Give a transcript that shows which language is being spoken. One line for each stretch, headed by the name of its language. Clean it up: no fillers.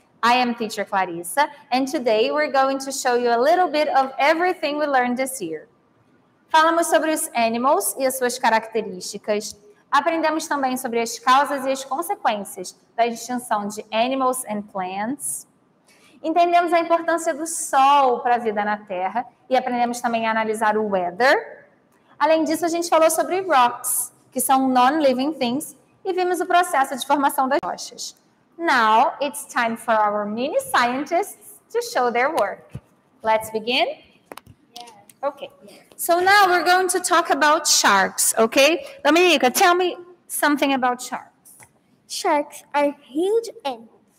English: I am teacher Clarissa, and today we're going to show you a little bit of everything we learned this year.
Portuguese: Falamos sobre os animals e as suas características. Aprendemos também sobre as causas e as consequências da extinção de
English: animals and plants.
Portuguese: Entendemos a importância do sol para a vida na Terra e aprendemos também a analisar o weather. Além disso, a gente falou sobre rocks, que são non-living things, e vimos o processo de formação das rochas.
English: Now, it's time for our mini scientists to show their work. Let's begin? Yes. Okay. So now we're going to talk about sharks, okay? Dominica, tell me something about sharks. Sharks are huge animals.